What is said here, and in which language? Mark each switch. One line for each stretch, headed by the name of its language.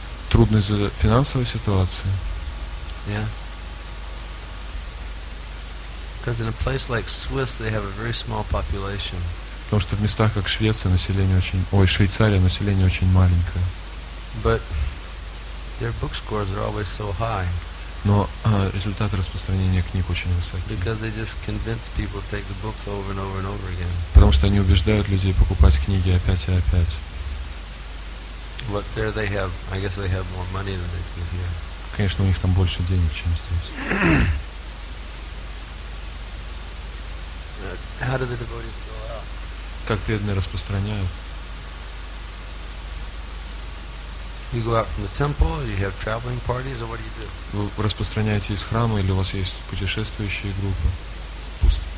Russian: трудно из-за финансовой ситуации.
English: Yeah. Because in a place like Swiss, they have a very small population.
Russian: Потому что в местах как Швеция население очень, ой, Швейцария население очень маленькое.
English: But their book scores are always so high.
Russian: Но результаты распространения книг очень высокие.
English: Because they just convince people to take the books over and over and over again.
Russian: Потому что они убеждают людей покупать книги опять и опять.
English: But there they have, I guess they have more money than they do here.
Russian: Конечно, у них там больше денег, чем здесь.
English: How do the devotees go out?
Russian: Как преданные распространяют?
English: You go out from the temple, you have traveling parties, or what do you do?
Russian: Вы распространяете из храма, или у вас есть путешествующие группы?